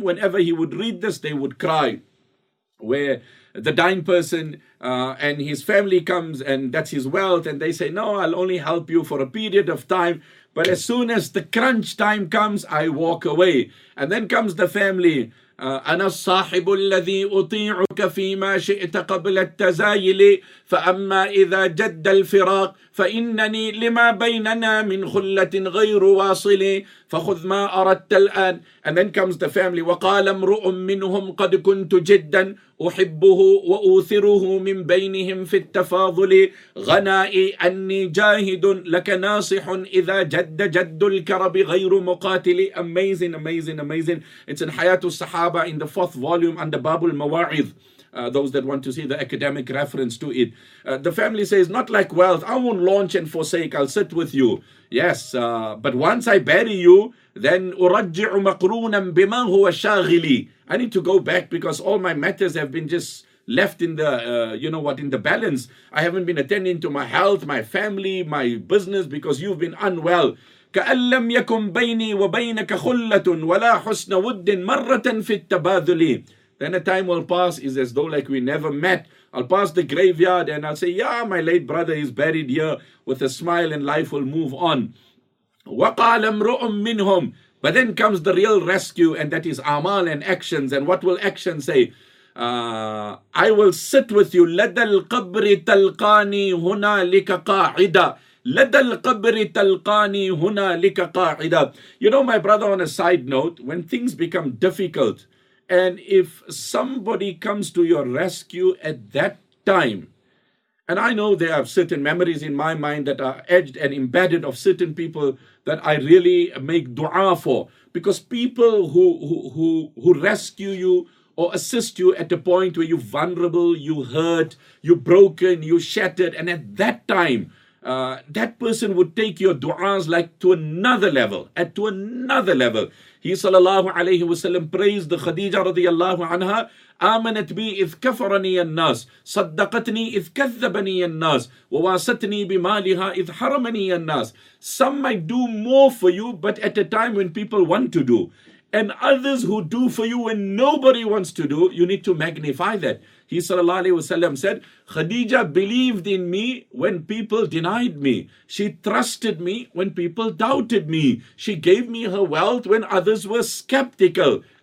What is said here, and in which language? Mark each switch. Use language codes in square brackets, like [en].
[en] Whenever he would read this, they would cry. Where the dying person and his family comes and that's his wealth. And they say, no, I'll only help you for a period of time. But as soon as the crunch time comes, I walk away. And then comes the family. [ar] أنا الصاحب الذي أطيعك فيما شئت قبل التزايل، فأما إذا جد الفراق فإنني لما بيننا من خلة غير واصل، فخذ ما أردت الآن. [en] And then comes the family. [ar] وقال امرؤ منهم قد كنت جدا أحبه وأوثره من بينهم في التفاضل، غنائي أني جاهد لك ناصح إذا جد جد الكرب غير مقاتل. [en] Amazing, amazing, amazing. It's in حياة الصحابة in the fourth volume under باب المواعظ. Those that want to see the academic reference to it. The family says, not like wealth. I won't launch and forsake. I'll sit with you. Yes, but once I bury you, then [ar] أرجع مقرونا بما هو شاغلي. [en] I need to go back because all my matters have been just left in the, in the balance. I haven't been attending to my health, my family, my business because you've been unwell. [ar] كأن لم يكن بيني وبينك خلة ولا حسن ود مرة في التباذل. [en] Then a time will pass, is as though like we never met. I'll pass the graveyard and I'll say, yeah, my late brother is buried here with a smile and life will move on. [ar] وَقَالَ امْرُؤٌ مِّنْهُمْ. [en] But then comes the real rescue, and that is amal and actions. And what will actions say? I will sit with you. [ar] لَدَى الْقَبْرِ تَلْقَانِي هُنَا لِكَ قَاعِدَ. لَدَى الْقَبْرِ تَلْقَانِي هُنَا لِكَ قَاعِدَ. [en] You know, my brother, on a side note, when things become difficult, and if somebody comes to your rescue at that time, and I know there are certain memories in my mind that are edged and embedded of certain people that I really make dua for, because people who rescue you or assist you at a point where you're vulnerable, you hurt, you're broken, you're shattered, and at that time, that person would take your du'as like to another level, and to another level. He sallallahu alayhi wa sallam praised the Khadija radiallahu anha, [ar] آمنت بي إذ كفرني الناس صدقتني إذ كذبني الناس وواستني بمالها إذ حرمني الناس. [en] Some might do more for you, but at a time when people want to do. And others who do for you when nobody wants to do, you need to magnify that. He sallallahu alayhi wa sallam said, Khadija believed in me when people denied me. She trusted me when people doubted me. She gave me her wealth when others were skeptical.